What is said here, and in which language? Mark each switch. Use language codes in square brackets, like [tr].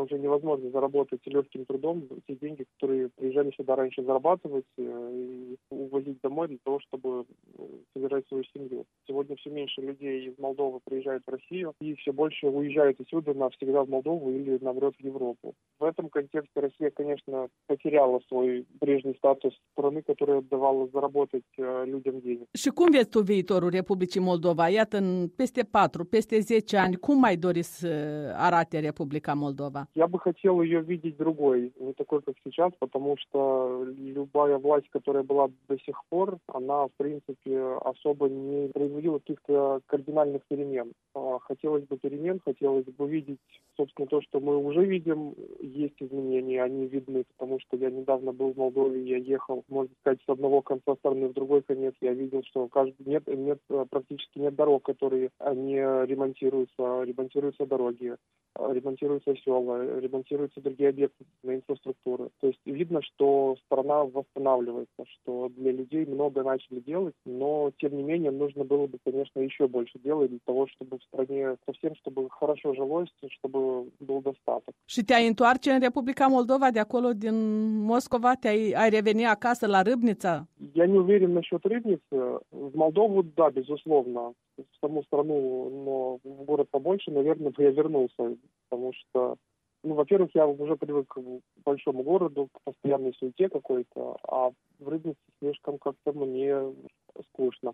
[ru] сегодня уже невозможно заработать легким трудом те деньги, которые приезжали сюда раньше зарабатывать и увозить домой для того, чтобы собирать свою семью. Сегодня все меньше людей из Молдовы приезжают в Россию и все больше уезжают отсюда навсегда в Молдову или, наоборот, в Европу. В этом контексте Россия, конечно, потеряла свой прежний статус страны, которая давала заработать людям деньги. [ro] Și cum vezi tu viitorul Republicii Moldova? Iată, peste 4, peste 10 ani, cum mai dori să arate Republica Moldova? [ru] Я бы хотел ее видеть другой, не такой, как сейчас, потому что любая власть, которая была до сих пор, она, в принципе, особо не проявила каких-то кардинальных перемен. Хотелось бы перемен, хотелось бы видеть, собственно, то, что мы уже видим, есть изменения, они видны, потому что я недавно был в Молдове, я ехал, можно сказать, с одного конца страны в другой конец, я видел, что практически нет дорог, которые не ремонтируются, ремонтируются дороги, ремонтируются села, ремонтируются другие объекты на инфраструктуру. То есть видно, что страна восстанавливается, что для людей много начали делать, но, тем не менее, нужно было бы, конечно, еще больше делать для того, чтобы в стране совсем, чтобы хорошо жилось, чтобы был достаток. [ro] Și te-ai întoarce în Republica Moldova, de acolo, din Moscova, te-ai reveni acasă la Râbnița? [ru] Я не уверен насчет Рыбницы. В Молдову, да, безусловно. В саму страну, но в город побольше, наверное, бы я вернулся. Потому что, ну, во-первых, я уже привык к большому городу, к постоянной суете какой-то, а в Рыбнице слишком как-то мне скучно.